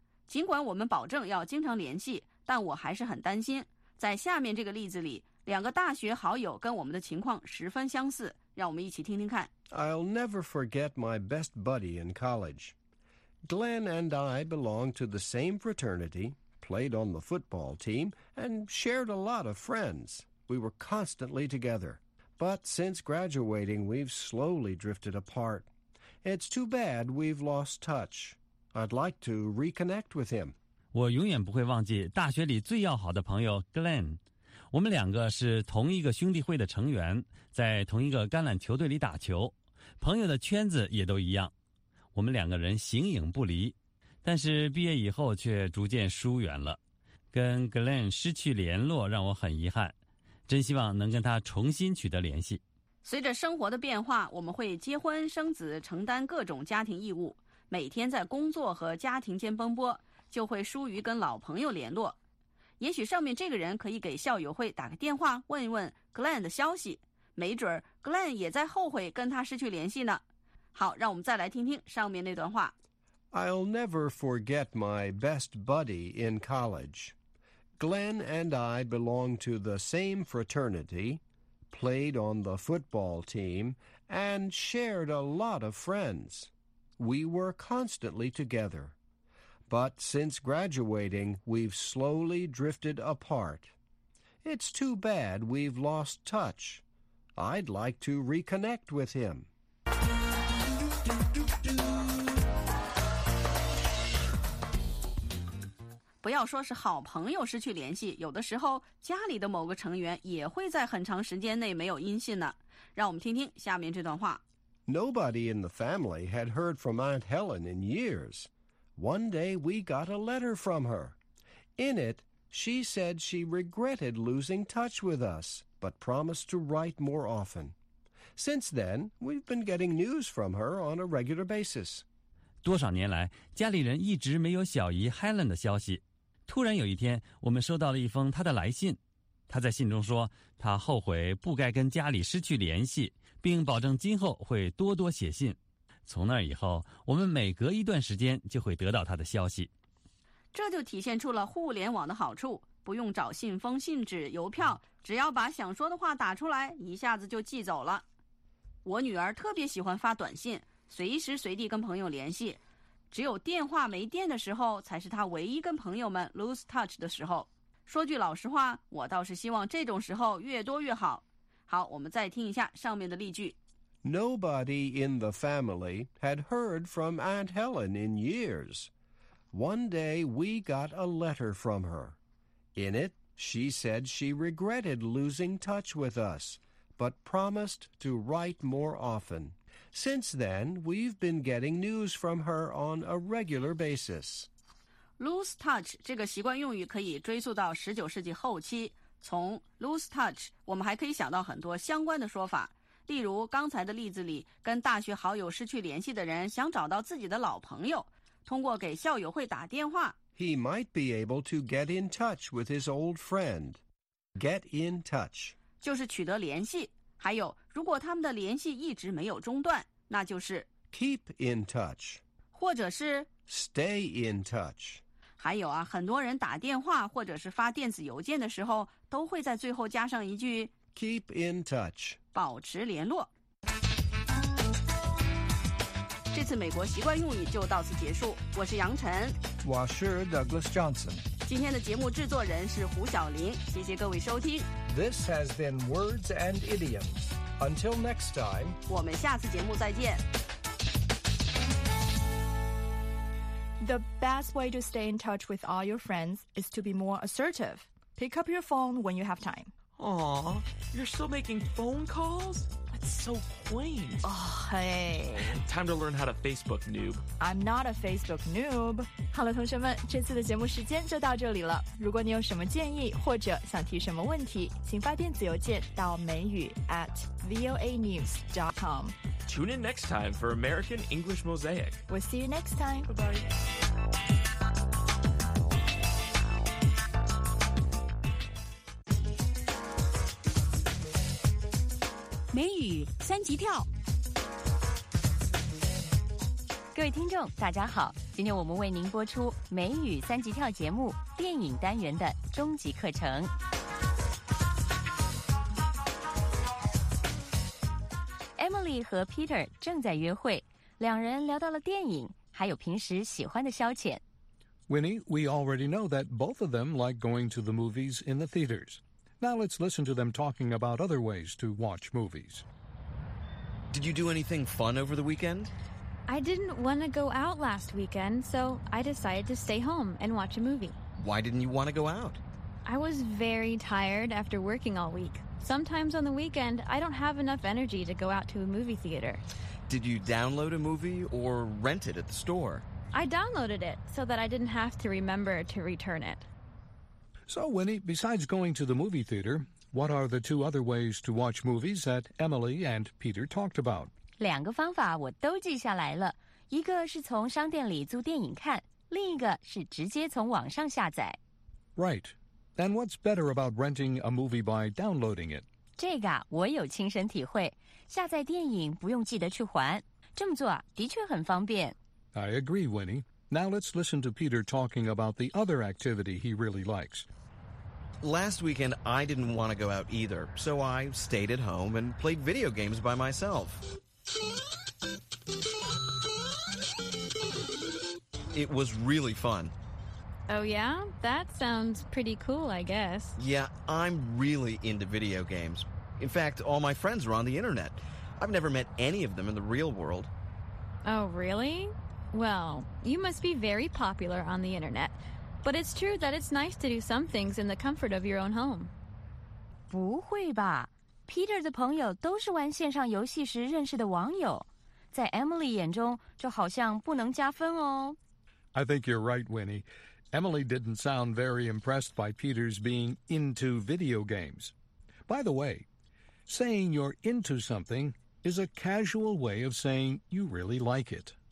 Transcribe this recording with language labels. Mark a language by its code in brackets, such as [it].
[zh] 尽管我们保证要经常联系，但我还是很担心。在下面这个例子里，两个大学好友跟我们的情况十分相似，让我们一起听听看。 [en] I'll never forget my best buddy in college. Glenn and I belonged to the same fraternity, played on the football team, and shared a lot of friends. We were constantly together. But since graduating, we've slowly drifted apart. It's too bad we've lost touch. I'd like to reconnect with him. [zh] 我永远不会忘记大学里最要好的朋友 Glenn。我们两个是同一个兄弟会的成员，在同一个橄榄球队里打球，朋友的圈子也都一样，我们两个人形影不离，但是毕业以后却逐渐疏远了，跟 Glenn 失去联络让我很遗憾，真希望能跟他重新取得联系。随着生活的变化，我们会结婚生子，承担各种家庭义务，每天在工作和家庭间奔波，就会疏于跟老朋友联络。也许上面这个人可以给校友会打个电话，问一问 Glenn 的消息，没准 Glenn 也在后悔跟他失去联系呢。好，让我们再来听听上面那段话。 [en] I'll never forget my best buddy in college. Glenn and I belong to the same fraternity, played on the football team, and shared a lot of friends. We were constantly together. But since graduating, we've slowly drifted apart. It's too bad we've lost touch. I'd like to reconnect with him. [zh] 不要说是好朋友失去联系，有的时候家里的某个成员也会在很长时间内没有音信呢。让我们听听下面这段话。 [en] Nobody in the family had heard from Aunt Helen in years. One day we got a letter from her. In it, she said she regretted losing touch with us, but promised to write more often. Since then, we've been getting news from her on a regular basis. [zh] 多少年来，家里人一直没有小姨 Helen 的消息。突然有一天，我们收到了一封她的来信。她在信中说，她后悔不该跟家里失去联系，并保证今后会多多写信。从那以后，我们每隔一段时间就会得到他的消息。这就体现出了互联网的好处，不用找信封、信纸、邮票，只要把想说的话打出来，一下子就寄走了。我女儿特别喜欢发短信，随时随地跟朋友联系，只有电话没电的时候才是她唯一跟朋友们 [en] lose touch [zh] 的时候。说句老实话，我倒是希望这种时候越多越好。好，我们再听一下上面的例句。 [en] Nobody in the family had heard from Aunt Helen in years. One day we got a letter from her. In it, she said she regretted losing touch with us, but promised to write more often. Since then, we've been getting news from her on a regular basis. Lose touch [zh] 这个习惯用语可以追溯到19世纪后期。从 [en] lose touch, [zh] 我们还可以想到很多相关的说法。例如刚才的例子里，跟大学好友失去联系的人想找到自己的老朋友，通过给校友会打电话。 [en] He might be able to get in touch with his old friend. Get in touch. [zh] 就是取得联系。还有，如果他们的联系一直没有中断，那就是 [en] Keep in touch. [zh] 或者是 [en] Stay in touch. [zh] 还有啊，很多人打电话或者是发电子邮件的时候，都会在最后加上一句 [en] Keep in touch. [zh] 保持联络。这次美国习惯用语就到此结束。我是杨晨。我是 Douglas Johnson。今天的节目制作人是胡晓琳。谢谢各位收听。 [en] This has been Words and Idioms. Until next time. [zh] 我们下次节目再见。 [en] The best way to stay in touch with all your friends is to be more assertive. Pick up your phone when you have time. Aw, you're still making phone calls? That's so quaint. Oh, hey. Time to learn how to Facebook noob. I'm not a Facebook noob. [zh] 好了，同学们，这次的节目时间就到这里了。如果你有什么建议或者想提什么问题，请发电子邮件到美语@voanews.com. [en] Tune in next time for American English Mosaic. We'll see you next time. Bye-bye. [zh] 美语三级跳。各位听众大家好，今天我们为您播出美语三级跳节目电影单元的终极课程。 Emily 和 Peter 正在约会，两人聊到了电影，还有平时喜欢的消遣。 [en] Winnie, we already know that both of them like going to the movies in the theaters. Now let's listen to them talking about other ways to watch movies. Did you do anything fun over the weekend? I didn't want to go out last weekend, so I decided to stay home and watch a movie. Why didn't you want to go out? I was very tired after working all week. Sometimes on the weekend, I don't have enough energy to go out to a movie theater. Did you download a movie or rent it at the store? I downloaded it so that I didn't have to remember to return it. So, Winnie, besides going to the movie theater, what are the two other ways to watch movies that Emily and Peter talked about? [zh] 两个方法我都记下来了。一个是从商店里租电影看，另一个是直接从网上下载。 [en] Right. And what's better about renting a movie by downloading it? [zh] 这个我有亲身体会。下载电影不用记得去还。这么做的确很方便。 [en] I agree, Winnie. Now let's listen to Peter talking about the other activity he really likes. Last weekend, I didn't want to go out either, so I stayed at home and played video games by myself. It was really fun. Oh, yeah? That sounds pretty cool, I guess. Yeah, I'm really into video games. In fact, all my friends are on the internet. I've never met any of them in the real world. Oh, really? Well, you must be very popular on the internet. But it's true that it's nice to do some things in the comfort of your own home. [zh] 不会吧。 Peter 的朋友都是玩线上游戏时认识的网友。在 Emily 眼中就好像不能加分哦。 [en] I think you're right, Winnie. Emily didn't sound very impressed by Peter's being into video games. By the way, saying you're into something is a casual way of saying you really like it.